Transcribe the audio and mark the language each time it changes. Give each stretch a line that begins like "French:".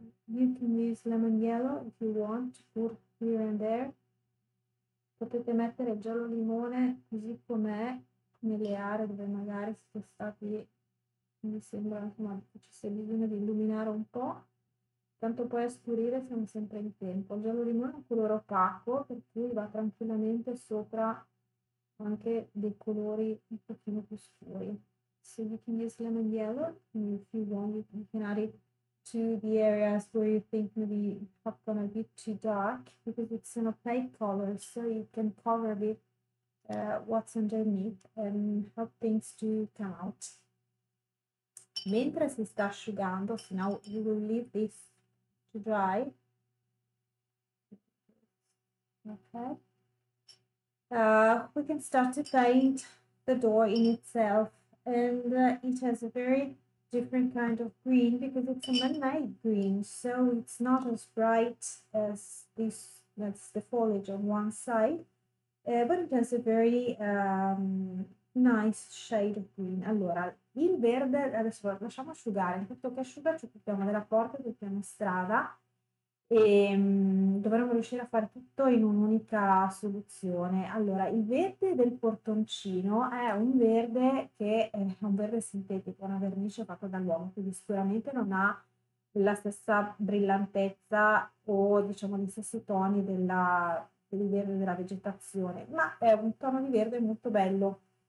English: You can use lemon yellow if you want, pur here and there.
Italian: Potete mettere giallo limone così com'è nelle aree dove magari siete stati, mi sembra, insomma, ci sia bisogno di illuminare un po'. Tanto poi a scurire siamo sempre in tempo. Il giallo limone è un colore opaco, per cui va tranquillamente sopra anche dei colori un pochino più scuri.
English: So you can use lemon yellow if you want, you can add it to the areas where you think maybe it's gonna be too dark because it's an opaque color, so you can cover a bit what's underneath and help things to come out.
Italian: Mentre si sta asciugando,
English: so now you will leave this to dry. Okay. We can start to paint the door in itself, and it has a very different kind of green because it's a man-made green, so it's not as bright as this, that's the foliage on one side, but it has a very nice shade of green.
Italian: Allora, il verde adesso lo lasciamo asciugare, intanto che asciuga ci occupiamo della porta del piano strada e dovremmo riuscire a fare tutto in un'unica soluzione. Allora, il verde del portoncino è un verde che è un verde sintetico, una vernice fatta dall'uomo, quindi sicuramente non ha la stessa brillantezza o diciamo gli stessi toni del verde della vegetazione, ma è un tono di verde molto bello.